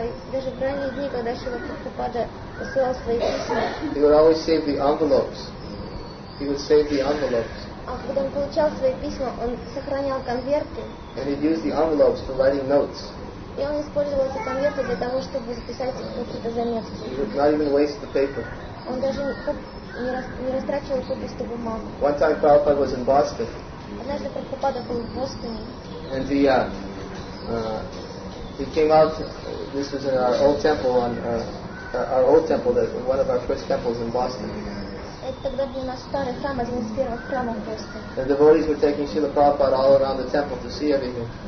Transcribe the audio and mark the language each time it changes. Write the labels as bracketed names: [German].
[Russian] Даже в ранние дни, когда Шрила Прабхупада посылал свои письма. [English] He would always save the envelopes. He would save the envelopes. [Russian] А когда он получал свои письма, он сохранял конверты. [English] And he'd use the envelopes for writing notes. [Russian] И он использовал эти конверты для того, чтобы записать какие-то заметки. [English] He would not even waste the paper. [Russian] Он даже не растрачивал купистую бумагу. [English] One time Prabhupada was in Boston. [Russian] Однажды Прабхупада был в Бостоне. [English] And he came out, this was in our old temple, on our old temple, that one of our first temples in Boston. The devotees were taking Srila Prabhupada all around the temple to see everything.